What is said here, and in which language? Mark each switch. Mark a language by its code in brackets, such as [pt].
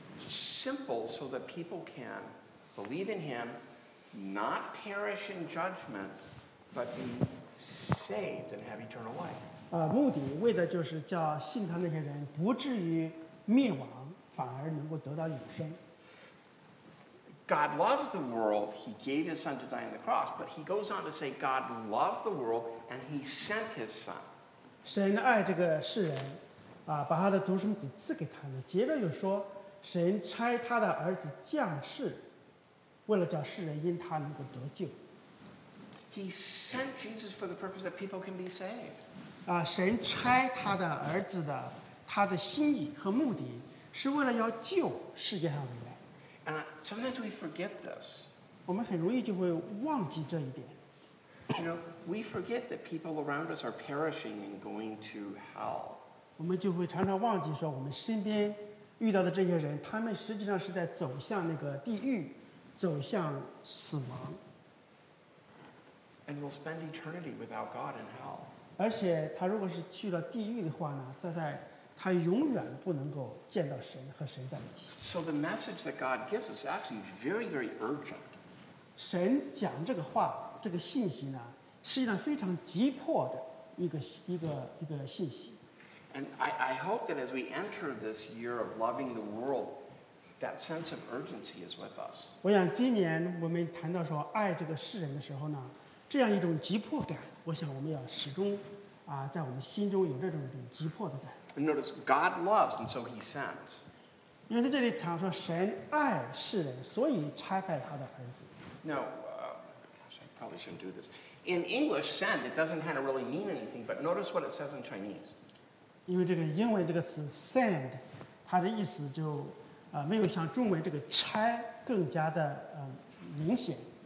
[en] Simple so that people can believe in him, not perish in judgment, but be saved and have eternal life. [zh] 目的为的就是叫信他那些人不至于灭亡，反而能够得到永生。 [en] God loves the world, he gave his son to die on the cross, but he goes on to say God loved the world and he sent his son. [zh] 神爱这个世人，把他的独生子赐给他们，接着又说神差他的儿子降世，为了叫世人因他能够得救。 [en] He sent Jesus for the purpose that people can be saved. [zh] 神差他的儿子的，他的心意和目的是为了要救世界上的人。 [en] And sometimes we forget this. [zh] 我们很容易就会忘记这一点。 [en] You know, we forget that people around us are perishing and going to hell. [zh] 我们就会常常忘记说我们身边遇到的这些人，他们实际上是在走向那个地狱，走向死亡。 [en] And we'll spend eternity without God in hell. [zh] 而且他如果是去了地狱的话呢，在他永远不能够见到神和神在一起。 [en] So the message that God gives us actually is very, very urgent. [zh] 神讲这个话，这个信息呢，实际上非常急迫的一个信息。 [en] And I hope that as we enter this year of loving the world, that sense of urgency is with us. [zh] 我想今年我们谈到说爱这个世人的时候呢，这样一种急迫感，我想我们要始终在我们心中有这种急迫的感。 [en] And notice God loves, and so He sends. [zh] 因为在这里讲说神爱世人，所以差派他的儿子。 [en] Now, gosh, I probably shouldn't do this. In English, send, it doesn't kind of really mean anything, but notice what it says in Chinese. [zh] 因为这个英文这个词 send, 它的意思就没有像中文这个差更加的明显。